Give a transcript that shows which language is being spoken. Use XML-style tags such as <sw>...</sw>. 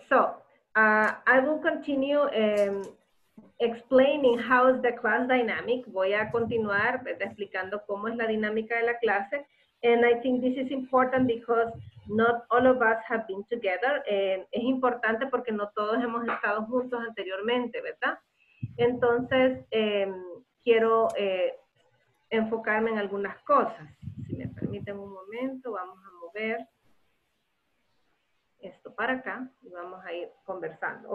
<en>So, I will continue explaining how is the class dynamic.</en> <es>Voy a continuar explicando cómo es la dinámica de la clase.</es> <en>And I think this is important because not all of us have been together.</en> <es>Es importante porque no todos hemos estado juntos anteriormente, ¿verdad? Entonces, quiero enfocarme en algunas cosas. Si me permiten un momento, vamos a mover esto para acá y vamos a ir conversando.</es>